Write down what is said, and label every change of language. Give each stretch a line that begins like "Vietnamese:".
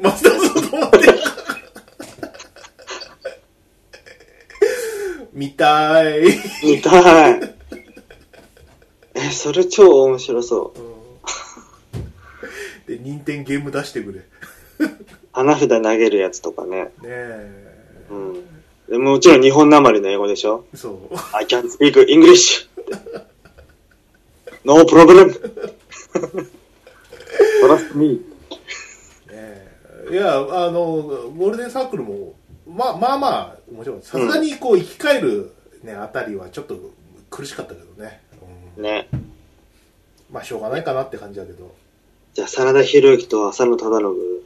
Japanese: マスターソード持って見たい見たい、えそれ超面白そう、うん、で任天ゲーム出してくれ花札投げるやつとかね。ねえ、うん、でもちろん日本なまりの英語でしょ。そう、
English: I can't speak English No problem Trust me。
Japanese: いやゴールデンサークルもまあもちろんさすがにこう生き返る、ね、うん、あたりはちょっと苦しかったけどね、うん、ね、まあしょうがないかなって感じだけど、じゃあ、真田広之と浅野忠信。うん。